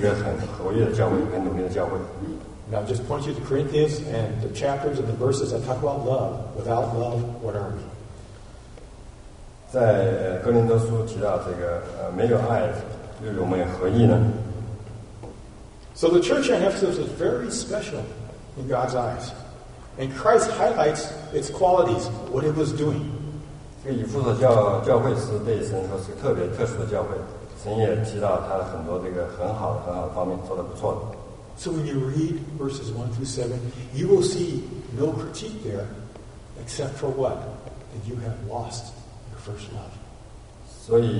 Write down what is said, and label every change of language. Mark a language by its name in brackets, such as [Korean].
[Chinese] 所以对于教会来说，即使失去了起初的爱，仍然可以是一个很活跃的教会，很努力的教会。Now [English] just point you to Corinthians and the chapters and the verses that talk about love. Without love, what are we? [Chinese] 在哥林多书提到这个，没有爱，又有没有合意呢？ [English] So the church in Ephesus is very special in God's eyes. And Christ highlights its qualities, what it was doing. [Chinese] 所以以弗所教会是被神说是特别特殊的教会，神也提到他很多这个很好的方面做得不错的。So [English] when you read verses 1 through 7, you will see no critique there except for what? That you have lost your first love.